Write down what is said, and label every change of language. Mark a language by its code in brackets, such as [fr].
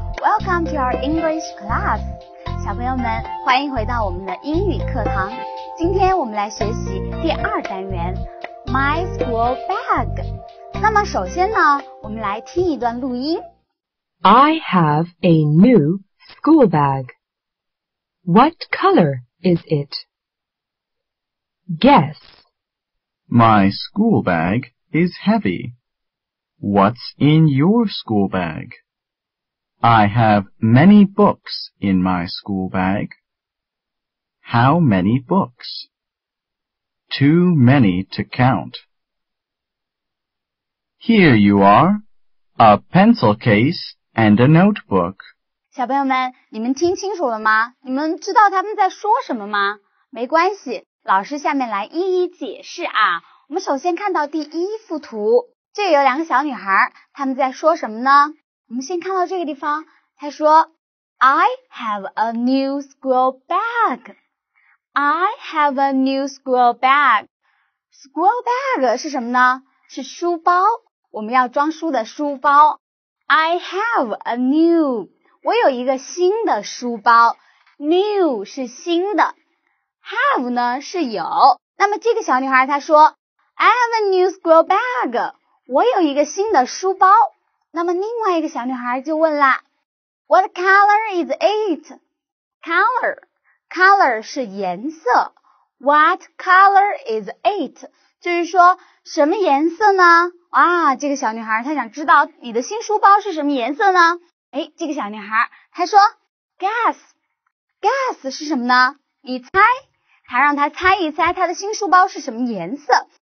[en] Welcome to our English class. [zh] 小朋友们，欢迎回到我们的英语课堂。今天我们来学习第二单元 My school bag. 那么首先呢，我们来听一段录音。 [en] I have a new school bag. What color is it? Guess. My school bag is heavy. What's in your school bag? I have many books in my school bag. How many books? Too many to count. Here you are, a pencil case and a notebook. [zh] 小朋友们，你们听清楚了吗？你们知道他们在说什么吗？没关系，老师下面来一一解释啊。我们首先看到第一幅图。这有两个小女孩，她们在说什么呢？我们先看到这个地方，她说 [en] I have a new school bag. I have a new school bag. [zh] School bag 是什么呢？是书包，我们要装书的书包。 [en] I have a new, [zh] 我有一个新的书包。 New 是新的。Have 呢是有。那么这个小女孩她说 [en] I have a new school bag. [zh] 我有一个新的书包。那么另外一个小女孩就问了 [en] What color is it? [zh] Color, color 是颜色。 [en] What color is it? [zh] 就是说什么颜色呢？啊，这个小女孩她想知道你的新书包是什么颜色呢？哎，这个小女孩她说 Guess, guess 是什么呢？你猜，她让她猜一猜她的新书包是什么颜色。